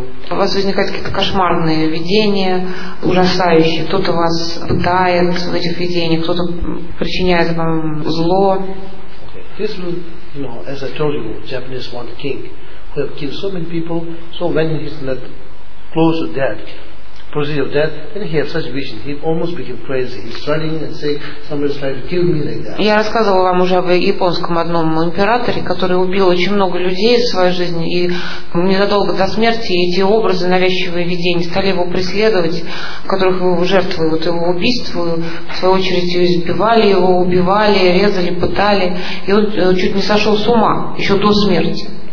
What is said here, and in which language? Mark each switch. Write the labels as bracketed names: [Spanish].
[Russian] У вас возникают какие-то кошмарные видения, ужасающие. Кто-то вас пытает в этих видениях, кто-то причиняет вам зло. [English] This will, you know, as I told you, Japanese one king who have killed so many people. So when he's not close to death, proceed of death, then he has such vision. He almost became crazy. He's running and saying, somebody's trying to kill me like that. [Russian] Я рассказывала вам уже об японском одном императоре, который убил очень много людей в своей жизни, и незадолго до смерти эти образы, навязчивые видения, стали его преследовать, в которых его жертвы, вот его убийство, в свою очередь избивали его, убивали, резали, пытали, и он чуть не сошел с ума еще до смерти.